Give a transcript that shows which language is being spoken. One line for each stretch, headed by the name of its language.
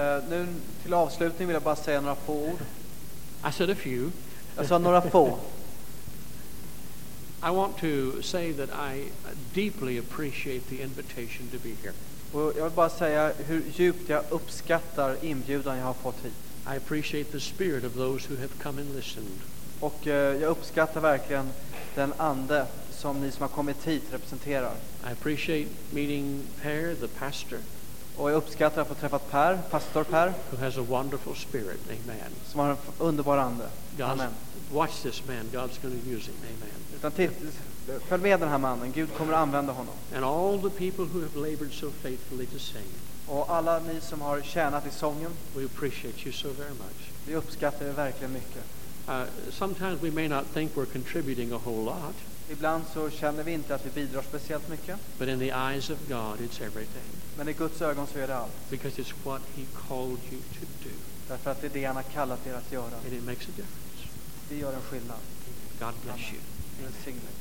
Swedish: Nu till avslutning vill jag bara säga några få ord.
English: I said a few.
Swedish: Jag sa några få.
English: I want to say that I deeply appreciate the invitation to be here.
Swedish: Och jag vill bara säga hur djupt jag uppskattar inbjudan jag har fått hit.
English: I appreciate the spirit of those who have come and listened.
Swedish: Och jag uppskattar verkligen den ande som ni som har kommit hit representerar.
English: I appreciate meeting Per, the pastor.
Swedish: Och jag uppskattar att få träffat Per, pastor Per.
English: Who has a wonderful spirit, amen.
Swedish: Som har en underbar ande. Amen.
English: Watch this man, God's going to use him, amen.
Swedish: Utan följ med den här mannen, Gud kommer att använda honom.
English: And all the people who have labored so faithfully to sing.
Swedish: Och alla ni som har tjänat i sången.
English: We appreciate you so very much.
Swedish: Vi uppskattar er verkligen mycket.
English: Sometimes we may not think we're contributing a whole lot.
Swedish: Ibland så känner vi inte att vi bidrar speciellt mycket.
English: But in the eyes of God, it's everything.
Swedish: Men i Guds ögon så är det allt.
English: Because it's what he called you to do.
Swedish: Därför att det är det han har kallat er att göra.
English: And it makes a difference.
Swedish: Det gör en skillnad.
English: God bless you. Amen.